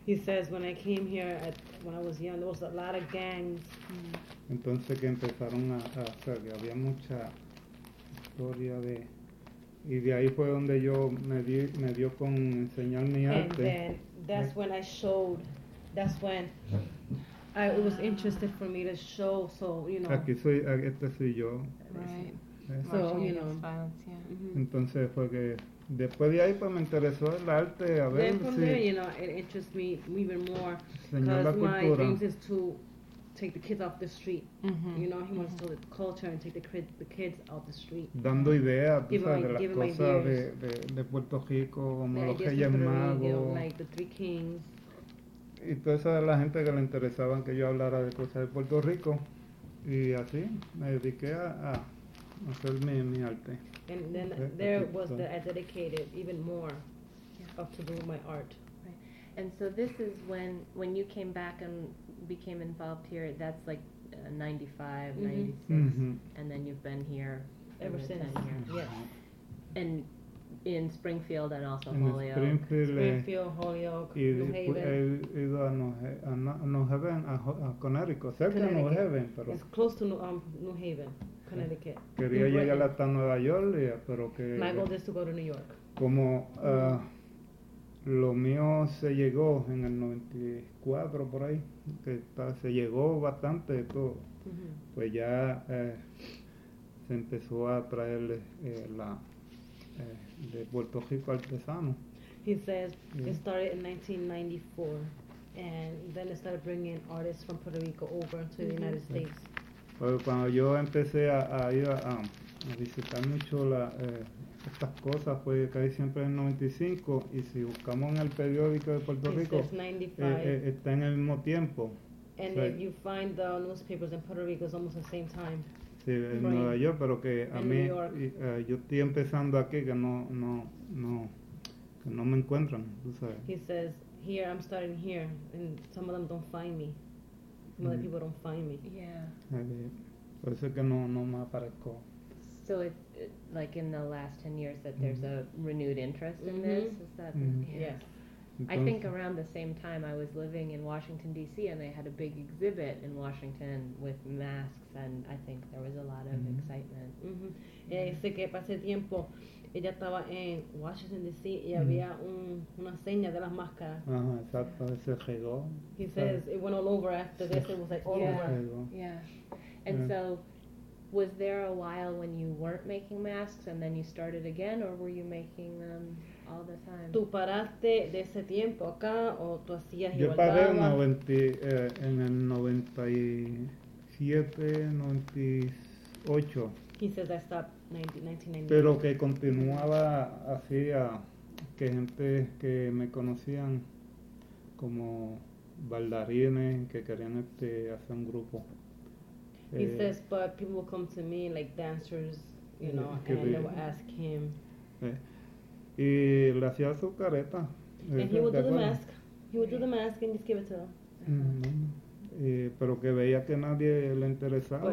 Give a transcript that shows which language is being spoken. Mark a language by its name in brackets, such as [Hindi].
[English] He says, when I came here, when I was young, there was a lot of gangs. [Spanish] Entonces que empezaron a hacer, que había mucha historia de... Y de ahí fue donde yo me dio con enseñar mi arte. [English] And then that's when I showed. That's when it was interested for me to show. So you know. [Spanish] Aquí soy, este soy yo. [English] Right. So you know. [Spanish] Entonces fue que después de ahí pues me interesó el arte, a ver si. [English] Then from [Spanish] si [English] there, you know, it interests me even more because my dream is to take the kids off the street. You know, he wants to the culture and take the kids off the street. [Spanish] Dando ideas, de Puerto Rico, como los Reyes Magos, [English] like the Three Kings. [Spanish] Y toda esa de la gente que le interesaban que yo hablara de cosas de Puerto Rico. Y así me dediqué a hacer mi arte. [English] And then there was that I dedicated even more up to do my art. And so this is when you came back and became involved here, that's like 95, 96, and then you've been here ever since. Here. Yeah. And in Springfield and also in Holyoke. Springfield, Holyoke, New Haven. I've been to New Haven, Connecticut, [Spanish] cerca de New Haven. Pero [English] it's close to New Haven, Connecticut. [Spanish] Quería llegar hasta Nueva York, pero que... [English] My goal is to go to New York. [Spanish] Como... Lo mío se llegó en el 94, por ahí, que está, se llegó bastante de todo. Pues ya se empezó a traer de Puerto Rico artesano. He says it started in 1994, and then it started bringing artists from Puerto Rico over to the United States. Pues cuando yo empecé a ir a visitar mucho la... estas cosas fue casi siempre en 95, y si buscamos en el periódico de Puerto Rico, está en el mismo tiempo. [English] And if you find the newspapers in Puerto Rico, it's almost the same time. [Spanish] Sí, en Nueva York, pero que a mí, yo estoy empezando aquí, que no me encuentran, tú sabes. [English] He says, here, I'm starting here, and some of them don't find me. Some other people don't find me. Yeah. [Spanish] Por eso es que no me aparezco. [English] So it like in the last 10 years that there's a renewed interest in this? Is that yes. I think around the same time I was living in Washington, D.C., and they had a big exhibit in Washington with masks, and I think there was a lot of excitement. [Spanish] Sé que pasé tiempo, ella estaba en Washington, D.C., y había una seña de las máscaras. Exacto, se regó. [English] He says it went all over after this, it was like all over. So... Was there a while when you weren't making masks and then you started again, or were you making them? all the time. [Spanish] ¿Tú paraste de ese tiempo acá o tú hacías igual? Yo paré en el 97, 98. [English] He says I stopped 1998. [Spanish] Pero que continuaba así, a que gente que me conocían como bailarines que querían hacer un grupo. [English] He says, but people will come to me like dancers, you know, and they will ask him. [Spanish] Y le hacía su careta. [English] And he would do the mask. He would do the mask and just give it to them. [Spanish] Pero que veía que nadie le interesaba.